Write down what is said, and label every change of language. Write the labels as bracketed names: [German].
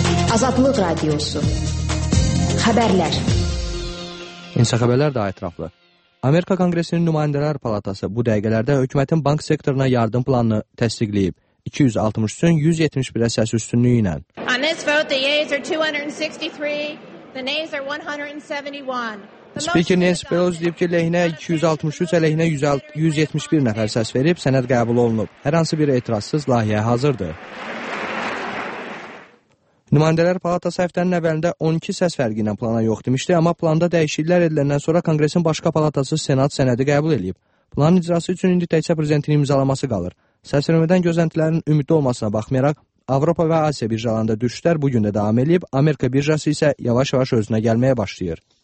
[Azerbaijani] Azadlıq Radiosu. Xəbərlər. İnsa xəbərlər daha ətraflı. Amerika Konqresinin nümayəndələr palatası bu dəqiqələrdə hökumətin bank sektoruna yardım planını təsdiqləyib. 263-ün 171 əsas üstünlüyü ilə. [English] On this vote, the yeas are 263, the nays are 171. [Azerbaijani] Speaker Nancy Pelosi deyib ki, lehinə 263, əleyhinə 171 nəfər səs verib, sənəd qəbul olunub. Hər hansı bir etirazsız layihə hazırdır. Nümayəndələr Palatası həftənin əvvəlində 12 səs fərqi ilə plana yox demişdi, amma planda dəyişikliklər ediləndən sonra Konqresin başqa palatası Senat sənədi qəbul edib. Planın icrası üçün indi təkcə prezidentin imzalaması qalır. Səsvermədən gözləntilərin ümidli olmasına baxmayaraq, Avropa və Asiya birjalarında düşüşlər bu gün də davam edib, Amerika birjası isə yavaş-yavaş özünə gəlməyə başlayır.